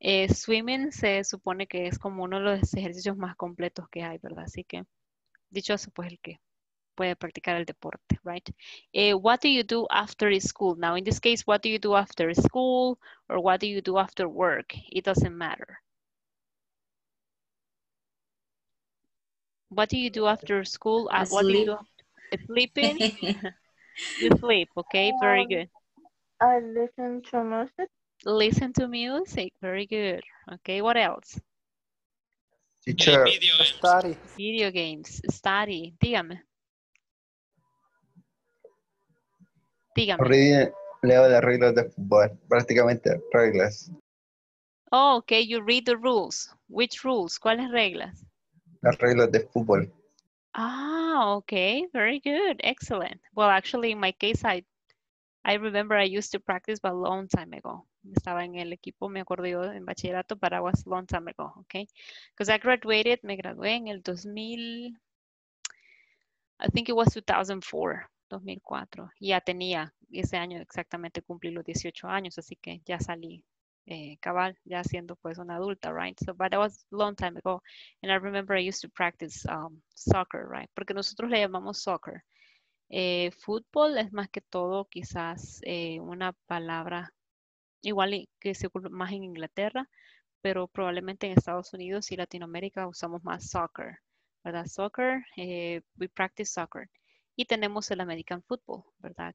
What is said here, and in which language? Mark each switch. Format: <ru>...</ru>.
<es>Swimming se supone que es como uno de los ejercicios más completos que hay, ¿verdad? Así que, dichoso pues el que puede practicar el deporte,</es> <en>right? What do you do after school? Now, in this case, what do you do after school or what do you do after work? It doesn't matter. What do you do after school? Sleeping? You sleep, okay? Very good. I listen to music. Listen to music. Very good. Okay, what else? Teacher. Study. Video games. Study.</en> <es>Dígame.</es> <en>Read,</en> <es>leo las reglas de fútbol, prácticamente reglas.</es> <en>Oh, okay, you read the rules. Which rules?</en> <es>¿Cuáles reglas? Las reglas de fútbol.</es> <en>Ah, okay, very good, excellent. Well, actually, in my case, I I remember I used to practice, but a long time ago.</en> <es>Estaba en el equipo, me acuerdo yo, en bachillerato,</es> <en>but I was a long time ago, okay? Because I graduated,</en> <es>me gradué en el 2000,</es> <en>I think it was 2004.</en> <es>2004, ya tenía ese año exactamente cumplí los 18 años, así que ya salí cabal, ya siendo pues una adulta,</es> <en>right? So, but that was a long time ago, and I remember I used to practice soccer, right?</en> <es>Porque nosotros le llamamos soccer. Fútbol es más que todo quizás una palabra igual que se ocupa más en Inglaterra, pero probablemente en Estados Unidos y Latinoamérica usamos más soccer, ¿verdad?</es> <en>Soccer, we practice soccer.</en> <es>Y tenemos el</es> <en>American football,</en> <es>¿verdad?</es>